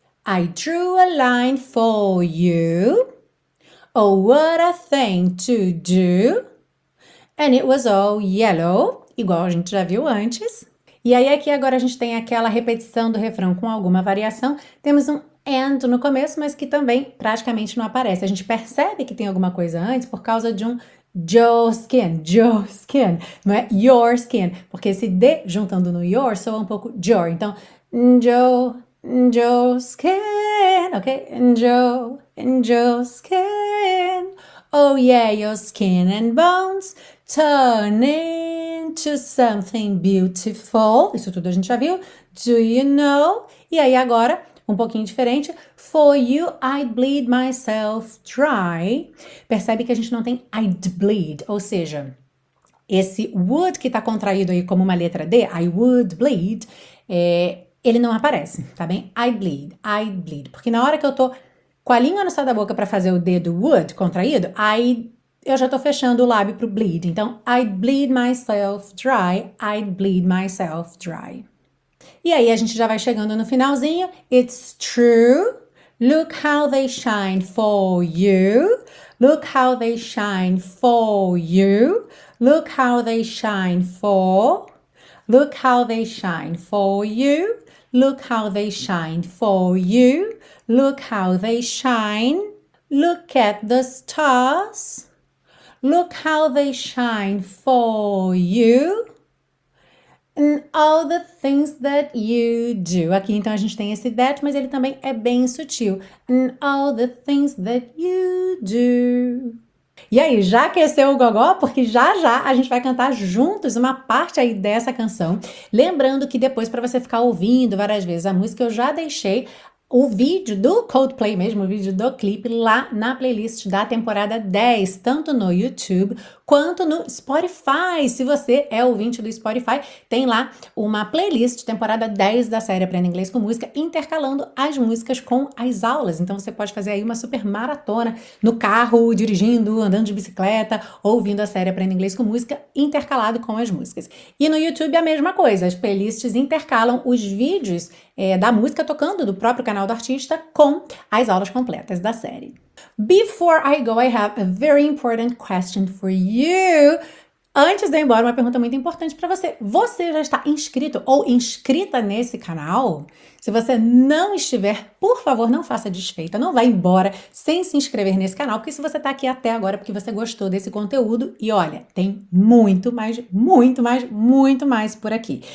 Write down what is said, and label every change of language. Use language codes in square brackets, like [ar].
[en] I drew a line for you. Oh, what a thing to do. And it was all yellow, [pt] igual a gente já viu antes. E aí aqui agora a gente tem aquela repetição do refrão com alguma variação. Temos um and no começo, mas que também praticamente não aparece. A gente percebe que tem alguma coisa antes por causa de um [en] your skin, [pt] não é your skin, porque esse D juntando no your soa um pouco your. Então, [en] your skin, [pt] ok? [en] Your skin. Oh yeah, your skin and bones. Turn into something beautiful. [pt] Isso tudo a gente já viu. [en] Do you know? [pt] E aí agora, um pouquinho diferente. [en] For you, I'd bleed myself dry. [pt] Percebe que a gente não tem [en] I'd bleed, [pt] ou seja, esse would que está contraído aí como uma letra D, [en] I would bleed, [pt] ele não aparece, tá bem? [en] I bleed, [pt] porque na hora que eu tô com a língua no céu da boca para fazer o D do would contraído, eu já tô fechando o lábio pro bleed. [en] Então, I bleed myself dry, I bleed myself dry. [pt] E aí a gente já vai chegando no finalzinho. [en] It's true. Look how they shine for you. Look how they shine for you. Look how they shine for. Look how they shine for you. Look how they shine for you. Look how they shine. Look at the stars. Look how they shine for you. And all the things that you do. [pt] Aqui então a gente tem esse that, mas ele também é bem sutil. [en] And all the things that you do. [pt] E aí, já aqueceu o gogó? Porque já já a gente vai cantar juntos uma parte aí dessa canção. Lembrando que depois, para você ficar ouvindo várias vezes a música, eu já deixei o vídeo do Coldplay mesmo, o vídeo do clipe, lá na playlist da temporada 10, tanto no YouTube quanto no Spotify. Se você é ouvinte do Spotify, tem lá uma playlist temporada 10 da série Aprenda Inglês com Música, intercalando as músicas com as aulas. Então você pode fazer aí uma super maratona no carro, dirigindo, andando de bicicleta, ouvindo a série Aprenda Inglês com Música, intercalado com as músicas. E no YouTube a mesma coisa, as playlists intercalam os vídeos da música tocando do próprio canal do artista com as aulas completas da série. [en] Before I go, I have a very important question for you. [pt] Antes de ir embora, uma pergunta muito importante para você. Você já está inscrito ou inscrita nesse canal? Se você não estiver, por favor, não faça desfeita, não vá embora sem se inscrever nesse canal, porque se você está aqui até agora, porque você gostou desse conteúdo, e olha, tem muito mais, muito mais, muito mais por aqui.